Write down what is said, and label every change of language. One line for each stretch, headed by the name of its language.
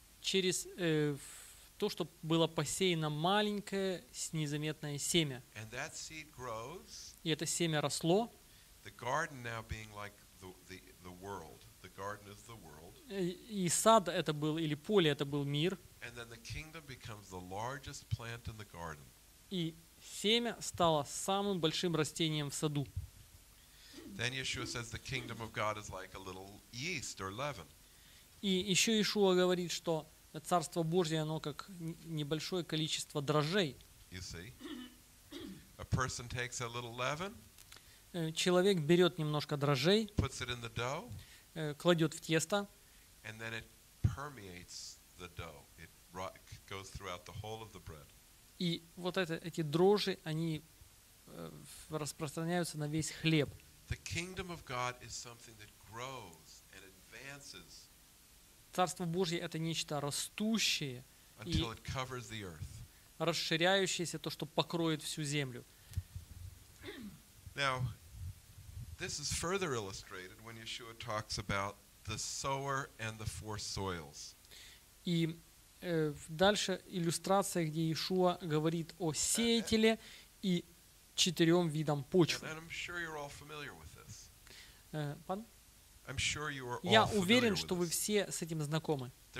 Russian: Через то, что было посеяно маленькое, незаметное семя.
English: And that seed grows.
Russian: И это семя росло.
English: The garden now being like the world. The garden is the world.
Russian: И сад это был, или поле это был мир.
English: And then the kingdom becomes the largest plant in the garden.
Russian: И семя стало самым большим растением в саду.
English: Then Yeshua says the kingdom of God is like a little yeast or leaven.
Russian: И еще Иешуа говорит, что Царство Божье, оно как небольшое количество дрожжей.
English: You see? A person takes a little leaven.
Russian: Человек берет немножко дрожжей,
English: puts it in the dough,
Russian: кладет в тесто,
English: and then it permeates the dough. It goes throughout the whole of the bread.
Russian: И вот эти дрожжи, они распространяются на весь хлеб.
English: The kingdom of God is something that grows and advances.
Russian: Царство Божье это нечто растущее
English: until it covers the earth.
Russian: Расширяющееся, то, что покроет всю землю.
English: Now, this is further illustrated when Yeshua talks about the sower and the four soils.
Russian: И дальше иллюстрация, где Иешуа говорит о сеятеле и четырем видам почвы.
English: And I'm sure you're all familiar with this.
Russian: Я уверен, что вы все с этим знакомы.